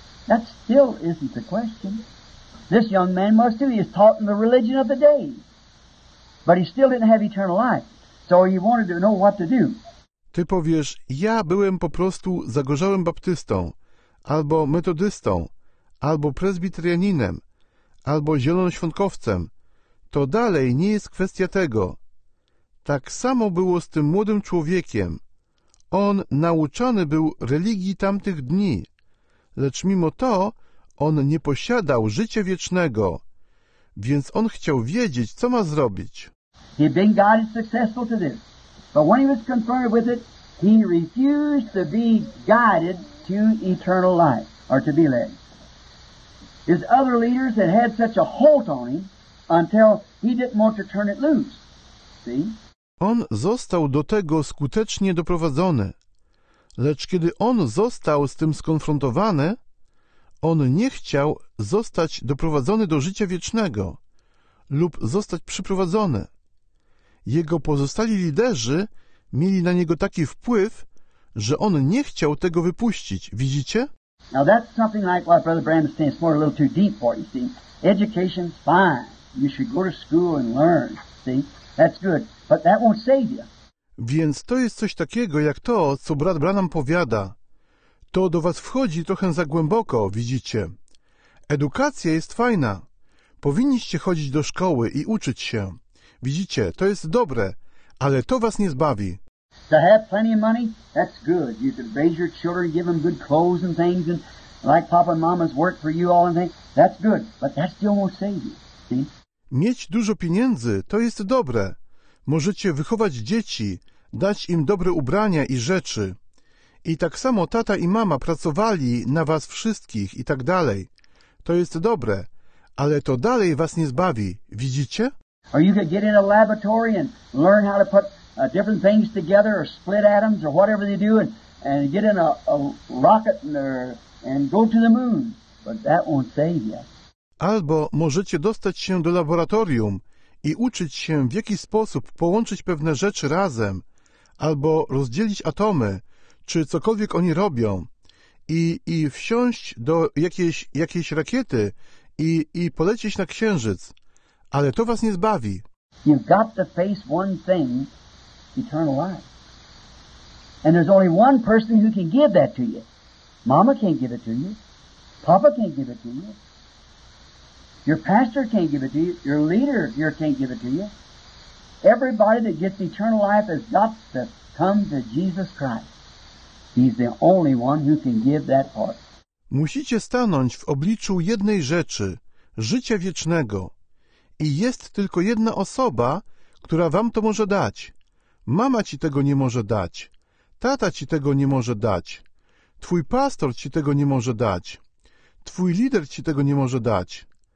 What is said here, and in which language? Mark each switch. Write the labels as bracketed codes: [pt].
[en] That still isn't the question. This young man must do. He is taught in the religion of the day. But he still didn't have eternal life. So he wanted to know what to do. [pl] Ty powiesz, ja byłem po prostu zagorzałym baptystą, albo metodystą, albo prezbiterianinem, albo zielonoświątkowcem. To dalej nie jest kwestia tego. Tak samo było z tym młodym człowiekiem. On nauczany był religii tamtych dni. Lecz mimo to, on nie posiadał życia wiecznego, więc on chciał wiedzieć, co ma zrobić. [en] He had been guided successful to this. But when he was confronted with it, he refused to be guided to eternal life, or to be led. His other leaders had had such a hold on him until he didn't want to turn it loose. See? [pl] On został do tego skutecznie doprowadzony. Lecz kiedy on został z tym skonfrontowany, on nie chciał zostać doprowadzony do życia wiecznego lub zostać przyprowadzony. Jego pozostali liderzy mieli na niego taki wpływ, że on nie chciał tego wypuścić. Widzicie? [en] Now that's something like what Brother Branham is saying. It's more a little too deep for you, see. Education's fine. You should go to school and learn, see. That's good. But that won't save you. [pl] Więc to jest coś takiego, jak to, co brat Branham powiada. To do was wchodzi trochę za głęboko, widzicie. Edukacja jest fajna. Powinniście chodzić do szkoły i uczyć się. Widzicie, to jest dobre, ale to was nie zbawi. [en] To have plenty of money, that's good. You can raise your children, give them good clothes and things, and like papa and mama's work for you all and things. That's good, but that still won't save you, see? [pl] Mieć dużo pieniędzy, to jest dobre. Możecie wychować dzieci, dać im dobre ubrania i rzeczy. I tak samo tata i mama pracowali na was wszystkich i tak dalej. To jest dobre, ale to dalej was nie zbawi. Widzicie? [en] Or you could get in a laboratory and learn how to put different things together or split atoms or whatever they do and get in a rocket and go to the moon. But that won't save you. [pl] Albo możecie dostać się do laboratorium i uczyć się, w jaki sposób połączyć pewne rzeczy razem, albo rozdzielić atomy, czy cokolwiek oni robią, i wsiąść do jakiejś rakiety i polecieć na Księżyc, ale to was nie zbawi. [en] You've got to face one thing, eternal life. And there's only one person who can give that to you. Mama can't give it to you. Papa can't give it to you. Your pastor can't give it to you. Your leader here can't give it to you. Everybody that gets eternal life has got to come to Jesus Christ. He's the only one who can give that part. [pl] Musicie stanąć w obliczu jednej rzeczy, życia wiecznego. I jest tylko jedna osoba, która wam to może dać. Mama ci tego nie może dać. Tata ci tego nie może dać. Twój pastor ci tego nie może dać. Twój lider ci tego nie może dać.